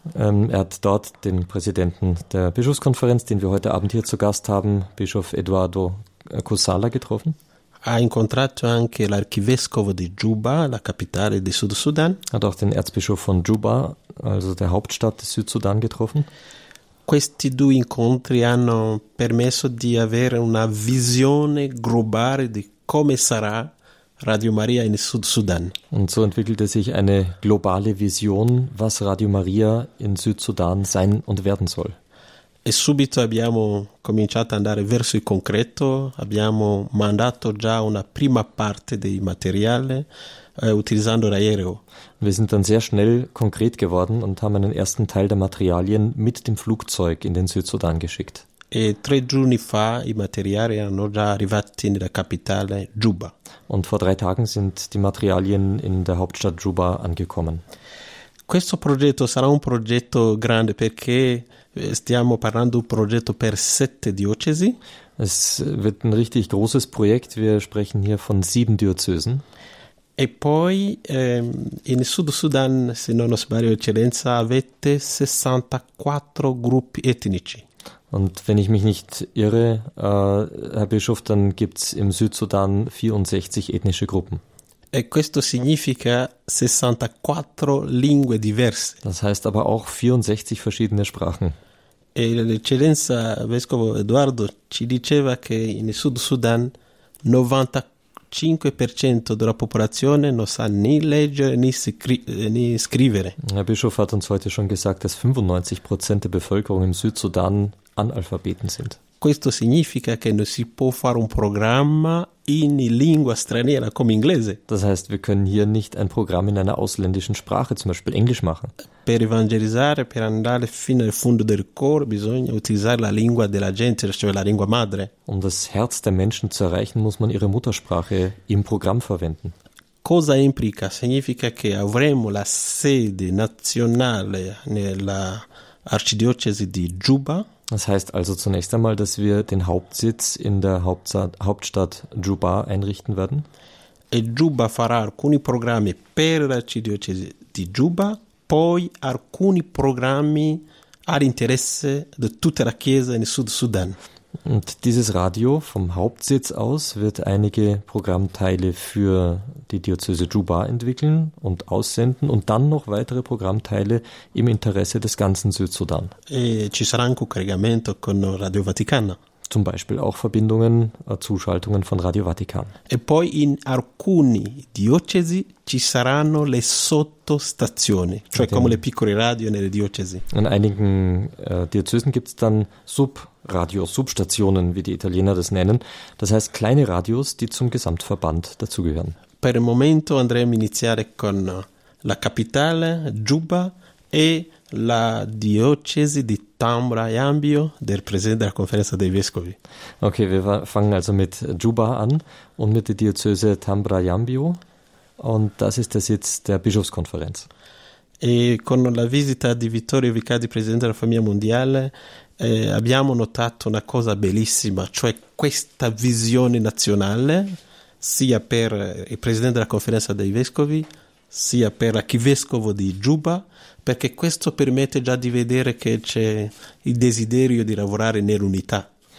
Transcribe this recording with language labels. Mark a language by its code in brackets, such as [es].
[de] Er hat dort den Präsidenten der Bischofskonferenz, den wir heute Abend hier zu Gast haben, Bischof Eduardo Cusala, getroffen. [it] Ha incontrato anche l'Archivescovo di Juba, la capitale di Sud Sudan. [de] Hat auch den Erzbischof von Juba, also der Hauptstadt des Südsudan, getroffen. [it] Questi due incontri hanno permesso di avere una visione globale di come sarà Radio Maria in Sud Sudan. [de] Und so entwickelte sich eine globale Vision, was Radio Maria in Südsudan sein und werden soll. [it] E subito abbiamo cominciato ad andare verso il concreto, abbiamo mandato già una prima parte dei materiali utilizzando l'aereo. [de] Wir sind dann sehr schnell konkret geworden und haben einen ersten Teil der Materialien mit dem Flugzeug in den Südsudan geschickt. [it] E 3 giorni fa i materiali erano già arrivati nella capitale Juba. [de] Und vor 3 Tagen sind die Materialien in der Hauptstadt Juba angekommen. [it] Questo progetto sarà un progetto grande perché stiamo parlando di un progetto per 7 diocesi. [de] Es wird ein richtig großes Projekt. Wir sprechen hier von 7 Diözesen. [it] E poi in Sud Sudan, se non sbaglio, Eccellenza, avete 64 gruppi etnici. [de] Und wenn ich mich nicht irre, Herr Bischof, dann gibt es im Südsudan 64 ethnische Gruppen. [it] E questo significa 64 lingue diverse. [de] Das heißt aber auch 64 verschiedene Sprachen. [it] E l'eccellenza Vescovo Eduardo ci diceva che in Sud Sudan 95% della popolazione non sa né leggere né scrivere. [de] Herr Bischof hat uns heute schon gesagt, dass 95% der Bevölkerung im Südsudan Analphabeten sind. [it] Questo significa che non si può fare un programma in lingua straniera come inglese. [de] Das heißt, wir können hier nicht ein Programm in einer ausländischen Sprache, zum Beispiel Englisch, machen. [it] Per evangelizzare, per andare fino al fondo del cuore, bisogna utilizzare la lingua della gente, cioè la lingua madre. [de] Um das Herz der Menschen zu erreichen, muss man ihre Muttersprache im Programm verwenden. [it] Cosa implica? Significa che avremo la sede nazionale nella Arcidiocesi di Juba. [de] Das heißt also zunächst einmal, dass wir den Hauptsitz in der Hauptstadt Juba einrichten werden. [it] E Juba farà alcuni programmi per la diocesi di Juba, poi alcuni programmi all'interesse di tutta la Chiesa in Sud Sudan. [de] Und dieses Radio vom Hauptsitz aus wird einige Programmteile für die Diözese Juba entwickeln und aussenden und dann noch weitere Programmteile im Interesse des ganzen Südsudan. [it] E ci sarà anche un collegamento con Radio Vaticana. [de] Zum Beispiel auch Verbindungen, Zuschaltungen von Radio Vatikan. [it] E poi in alcuni diocesi ci saranno le sottostazioni, cioè come le piccole radio nelle diocesi. [de] In einigen Diözesen gibt es dann Radios, Substationen, wie die Italiener das nennen. Das heißt, kleine Radios, die zum Gesamtverband dazugehören. [it] Per il momento andremo a iniziare con la capitale, Juba, e la diocesi di Tambra e Ambio, del Presidente della Conferenza dei Vescovi. [de] Okay, wir fangen also mit Juba an und mit der Diözese Tambra e Ambio. Und das ist der Sitz der Bischofskonferenz. [it] E con la visita di Vittorio Vicardi, Presidente della Famiglia Mondiale, abbiamo notato una cosa bellissima, cioè questa visione nazionale, sia per il Presidente della Conferenza dei Vescovi, sia per l'Archivescovo di Juba, perché questo permette già di vedere che c'è il desiderio di lavorare nell'unità.